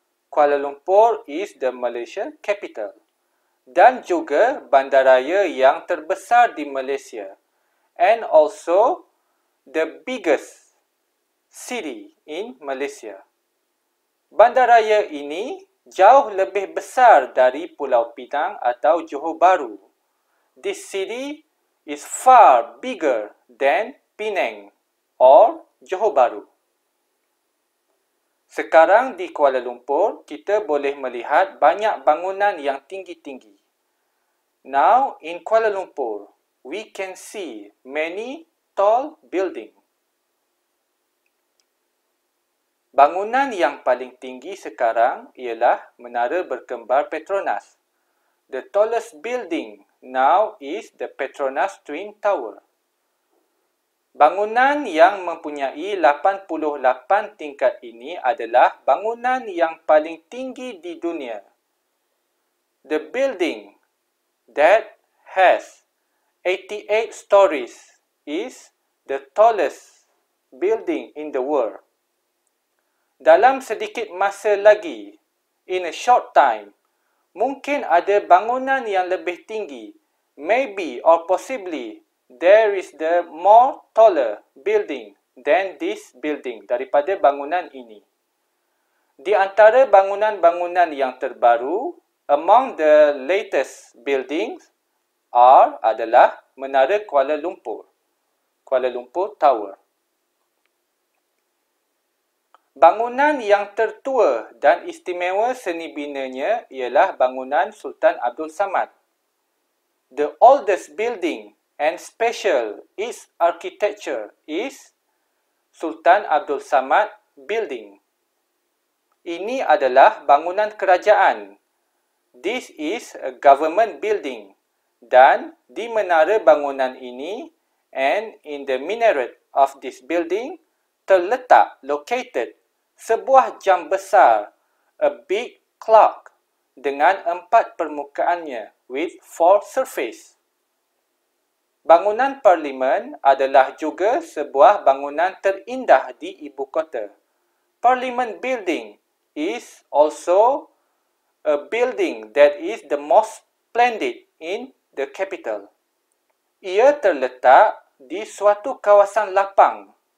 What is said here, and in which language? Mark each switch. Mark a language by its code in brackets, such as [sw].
[en] Kuala Lumpur is the Malaysian capital. [ms] Dan juga bandaraya yang terbesar di Malaysia. [en] And also the biggest city in Malaysia. [ms] Bandaraya ini jauh lebih besar dari Pulau Pinang atau Johor Bahru. [en] This city is far bigger than Penang or Johor Bahru. [ms] Sekarang di Kuala Lumpur, kita boleh melihat banyak bangunan yang tinggi-tinggi. [en] Now in Kuala Lumpur, we can see many tall buildings. [ms] Bangunan yang paling tinggi sekarang ialah Menara Berkembar Petronas. [en] The tallest building now is the Petronas Twin Tower. [ms] Bangunan yang mempunyai 88 tingkat ini adalah bangunan yang paling tinggi di dunia. [en] The building that has 88 stories is the tallest building in the world. [ms] Dalam sedikit masa lagi, [en] in a short time, [ms] mungkin ada bangunan yang lebih tinggi. [en] Maybe or possibly, there is the more taller building than this building [ms] daripada bangunan ini. Di antara bangunan-bangunan yang terbaru, [en] among the latest buildings are [ms] adalah Menara Kuala Lumpur, Kuala Lumpur Tower. Bangunan yang tertua dan istimewa seni binanya ialah bangunan Sultan Abdul Samad. [en] The oldest building and special its architecture is Sultan Abdul Samad Building. [ms] Ini adalah bangunan kerajaan. [en] This is a government building. [ms] Dan di menara bangunan ini [en] and in the minaret of this building terletak located [ms] sebuah jam besar, [en] a big clock, [ms] dengan empat permukaannya, [en] with four surface. [ms] Bangunan Parlimen adalah juga sebuah bangunan terindah di ibu kota. [en] Parliament Building is also a building that is the most splendid in the capital. [ms] Ia terletak di suatu kawasan lapang.